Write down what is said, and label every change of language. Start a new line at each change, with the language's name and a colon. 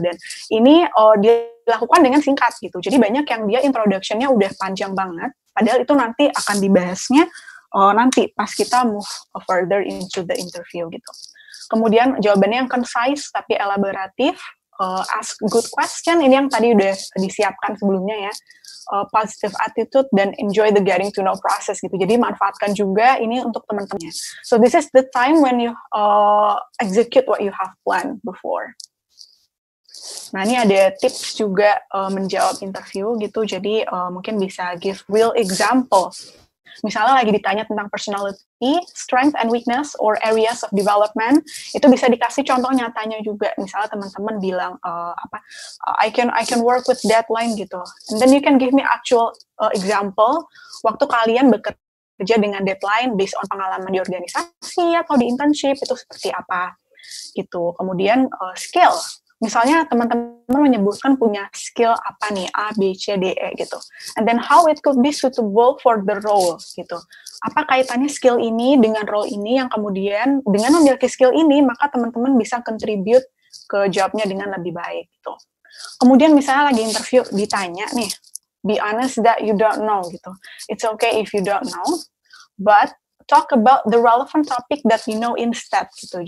Indonesian: Dan ini dilakukan dengan singkat gitu, jadi banyak yang dia introduction-nya udah panjang banget, padahal itu nanti akan dibahasnya, nanti pas kita
English: move further into the interview
Indonesian: gitu. Kemudian jawabannya yang concise tapi elaboratif,
English: ask good question,
Indonesian: ini yang tadi udah disiapkan sebelumnya ya, positive attitude dan
English: enjoy the getting to know process
Indonesian: gitu. Jadi manfaatkan juga ini untuk teman-temannya.
English: So this is the time when you execute what you have planned before.
Indonesian: Nah ini ada tips juga menjawab interview gitu, jadi mungkin bisa
English: give real example.
Indonesian: Misalnya lagi ditanya tentang personality,
English: strength and weakness, or areas of development,
Indonesian: itu bisa dikasih contoh nyatanya juga. Misalnya teman-teman bilang,
English: I can work with deadline gitu. And then you can give me actual example,
Indonesian: waktu kalian bekerja dengan deadline based on pengalaman di organisasi atau di internship, itu seperti apa gitu. Kemudian skill. Misalnya teman-teman menyebutkan punya skill apa nih, A, B, C, D, E gitu.
English: And then how it could be suitable for the role
Indonesian: gitu. Apa kaitannya skill ini dengan role ini yang kemudian dengan memiliki skill ini, maka teman-teman bisa contribute ke jobnya dengan lebih baik gitu. Kemudian misalnya lagi interview ditanya nih,
English: be honest that you don't know
Indonesian: gitu.
English: It's okay if you don't know, but talk about the relevant topic that you know instead gitu.